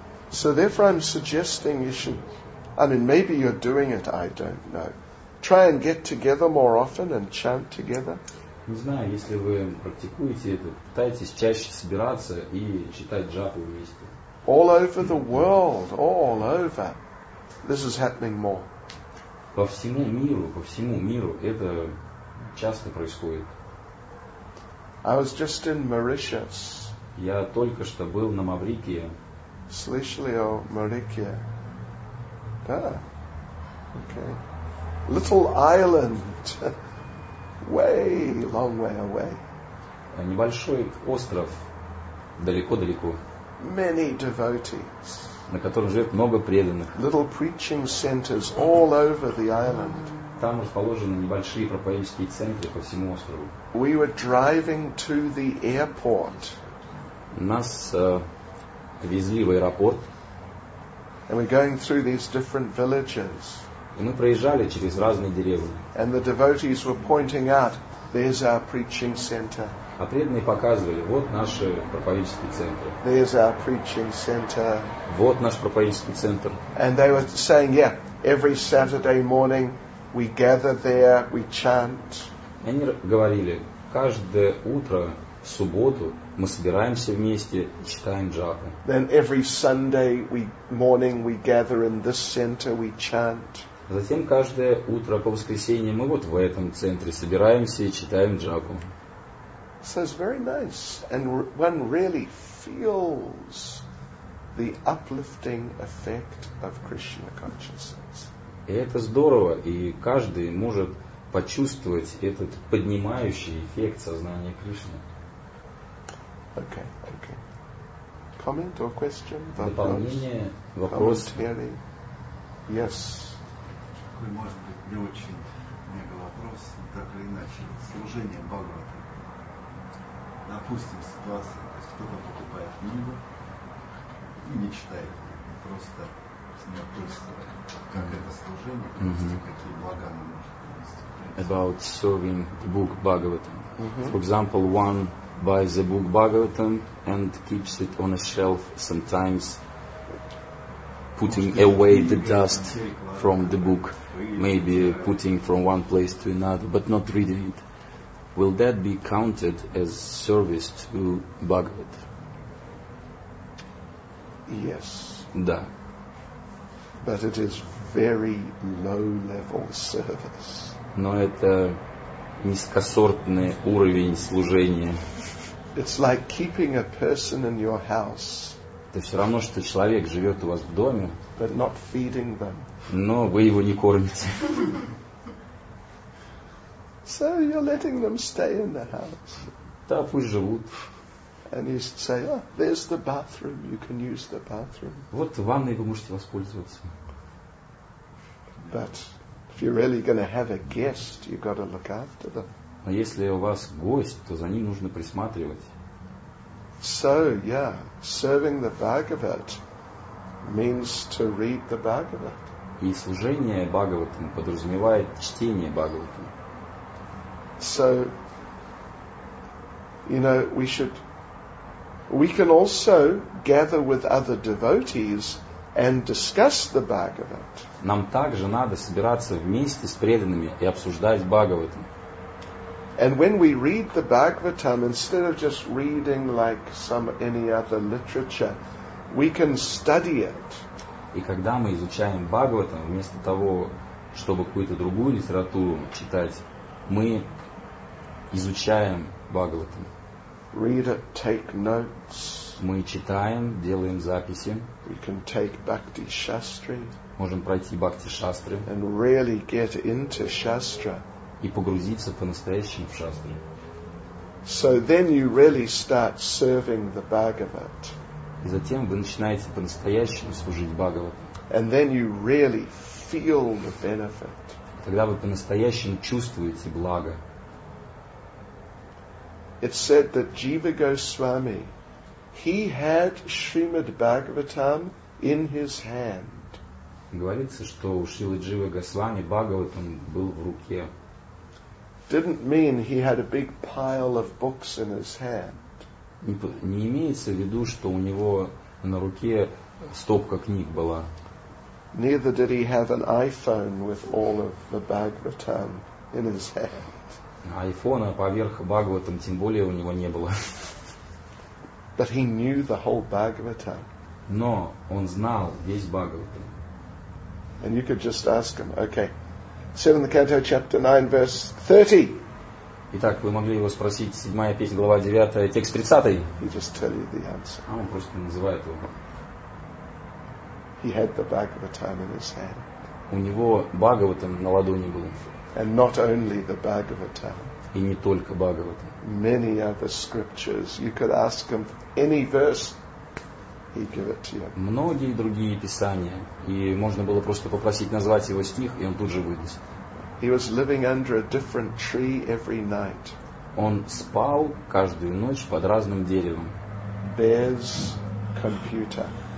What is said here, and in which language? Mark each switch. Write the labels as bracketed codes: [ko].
[en] So therefore I'm suggesting you should, I mean maybe you're doing it, I don't know. Try and get together more often and chant together. [ru] Не знаю, если вы практикуете это, пытайтесь чаще собираться и читать джапу вместе. [en] All over the world, all over. This is happening more. [ru] По всему миру это часто происходит. [en] I was just in Mauritius. [ru] Я только что был на Маврикии. Слышали о Маврикии? Да. [en] Okay. Little island. Way, long way away. [ru] Небольшой остров, далеко-далеко. [en] Many devotees. [ru] На котором живет много преданных. [en] Little preaching centers all over the island. [ru] Там расположены небольшие проповеднические центры по всему острову. [en] We were driving to the airport. [ru] Нас везли в аэропорт. [en] And we're going through these different villages. [ru] И мы проезжали через разные деревни. [en] And the devotees were pointing out, there's our preaching center. [ru] А преданные показывали, вот наши проповеднические центры. [en] There's our preaching center. [ru] Вот наш проповеднический центр. [en] And they were saying, yeah, every Saturday morning we gather there, we chant. [ru] Они говорили, каждое утро в субботу мы собираемся вместе и читаем джапу. [en] Then every Sunday morning we gather in this center, we chant. [ru] Затем каждое утро по воскресеньям мы вот в этом центре собираемся и читаем джапу. [en] So it's very nice, and one really feels the uplifting effect of Krishna consciousness. [ru] И это здорово, и каждый может почувствовать этот поднимающий эффект сознания Кришны. [en] Okay, okay. Comment or question? [ru] Дополнение, вопрос? [en] Yes. [ru] Такой, может быть, не очень мега вопрос, так или иначе, служение Бхагавата. Допустим, ситуация, то есть кто-то покупает книгу и не читает, просто с ней просто, как это служение, какие блага оно может принести. [en] About serving the book Bhagavatam. Mm-hmm. For example, one buys a book Bhagavatam and keeps it on a shelf sometimes, putting away the dust from the book, maybe putting from one place to another, but not reading it. Will that be counted as service to Bhagavad? Yes. [ru] Да. [en] But it is very low-level service. [ru] Но это низкосортный уровень служения. [en] It's like keeping a person in your house. [ru] Это все равно, что человек живет у вас в доме, [en] but not feeding them. [ru] Но вы его не кормите. [en] So you're letting them stay in the house. [ru] Да, пусть живут. [en] And you say, oh, there's the bathroom, you can use the bathroom. [ru] Вот ванной вы можете воспользоваться. [en] But if you're really going to have a guest, you've got to look after them. [ru] Но если у вас гость, то за ним нужно присматривать. [en] So, yeah, serving the Bhagavat means to read the Bhagavat. [ru] И служение Бхагаватам подразумевает чтение Бхагаватам. [en] So, you know, we should, we can also gather with other devotees and discuss the Bhagavat. [ru] Нам также надо собираться вместе с преданными и обсуждать Бхагаватам. [en] And when we read the Bhagavatam, instead of just reading like some any other literature, we can study it. [ru] И когда мы изучаем Бхагаватам, вместо того, чтобы какую-то другую литературу читать, мы изучаем Бхагаватам. [en] Read it, take notes. [ru] мы читаем, делаем записи. [en] We can take Bhakti Shastri. [ru] Можем пройти Бхакти Шастры. [en] And really get into Shastra. [ru] И погрузиться по-настоящему в Шастры. [en] So then you really start serving the Bhagavat. [ru] И затем вы начинаете по-настоящему служить Бхагавату. [en] And then you really feel the benefit. [ru] Тогда вы по-настоящему чувствуете благо. [en] It said that Jiva Goswami, he had Srimad Bhagavatam in his hand. [ru] Говорится, что у Шрилы Дживы Госвами Бхагаватам был в руке. [en] Didn't mean he had a big pile of books in his hand. [ru] Не имеется в виду, что у него на руке стопка книг была. [en] Neither did he have an iPhone with all of the Bhagavatam in his hand. [ru] Айфона поверх Бхагаватам тем более у него не было. [en] But he knew the whole Bhagavatam. [ru] Но он знал весь Бхагаватам. [en] And you could just ask him, okay, seventh canto, chapter 9, verse 30. [ru] Итак, вы могли его спросить, седьмая песня, глава 9, текст 30. [en] He just tell you the answer. [ru] А он просто называет его. [en] He had the Bhagavatam in his hand. [ru] У него Бхагаватам на ладони был. [en] And not only the Bhagavatam. [ru] И не только Бхагаватам. [en] Many other scriptures. You could ask him any verse, he'd give it to you. [ru] Многие другие писания. И можно было просто попросить назвать его стих, и он тут же выдаст. [en] He was living under a different tree every night. [ru] Он спал каждую ночь под разным деревом. [en] Bears computer.